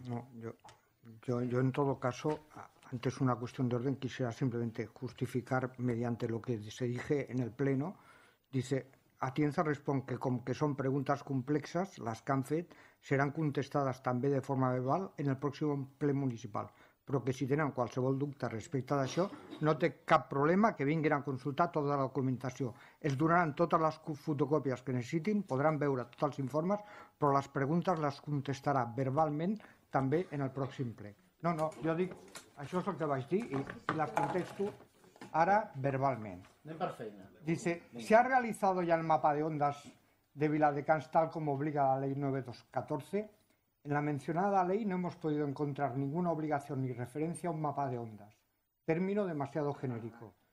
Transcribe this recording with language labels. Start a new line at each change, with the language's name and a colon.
Spanish: No, yo en todo caso, antes una cuestión de orden, quisiera simplemente justificar mediante lo que se dije en el pleno. Dice, Atienza responde que como que son preguntas complejas, las CANFET serán contestadas también de forma verbal en el próximo ple municipal.
Catalan: Però que si tenen qualsevol dubte respecte d'això, no té cap problema que vinguin a consultar tota la documentació. Es donaran totes les fotocòpies que necessitin, podran veure tots els informes, però les preguntes les contestarà verbalment també en el pròxim ple. No, jo dic, això és el que vaig dir i les contesto ara verbalment. Anem per feina.
Spanish: Dice, ¿se ha realizado ya el mapa de ondas de Viladecans tal como obliga la ley 9214? En la mencionada ley no hemos podido encontrar ninguna obligación ni referencia a un mapa de ondas, término demasiado genérico.